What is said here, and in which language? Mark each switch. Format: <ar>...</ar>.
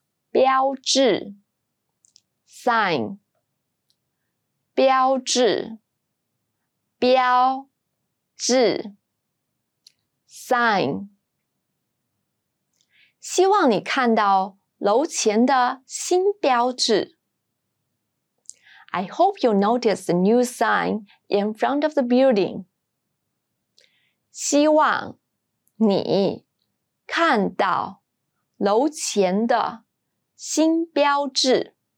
<zh>标志 sign, 标志标志 sign. 希望你看到楼前的新标志。</zh> <en>I hope you notice the new sign in front of the building.</en> <zh>希望你看到楼前的新标志。</zh>